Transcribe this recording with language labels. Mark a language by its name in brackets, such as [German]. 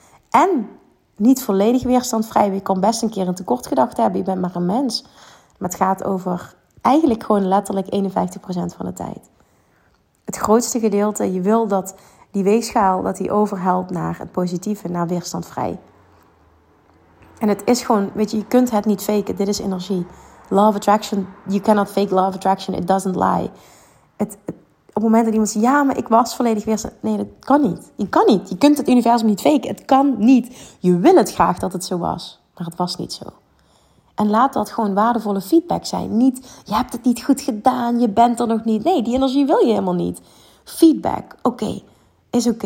[Dutch] En niet volledig weerstandvrij. Je kan best een keer een tekortgedachte hebben, je bent maar een mens. Maar het gaat over eigenlijk gewoon letterlijk 51% van de tijd. Het grootste gedeelte, je wil dat die weegschaal, dat die overhelpt naar het positieve, naar weerstandvrij. En het is gewoon, weet je, je kunt het niet faken. Dit is energie. [English] Law of attraction, you cannot fake law of attraction. It doesn't lie. [Dutch] Op het moment dat iemand zegt, ja, maar ik was volledig weerstand. Nee, dat kan niet. Je kan niet. Je kunt het universum niet faken. Het kan niet. Je wil het graag dat het zo was. Maar het was niet zo. En laat dat gewoon waardevolle feedback zijn. Niet, je hebt het niet goed gedaan. Je bent er nog niet. Nee, die energie wil je helemaal niet. Feedback. Oké. Is oké.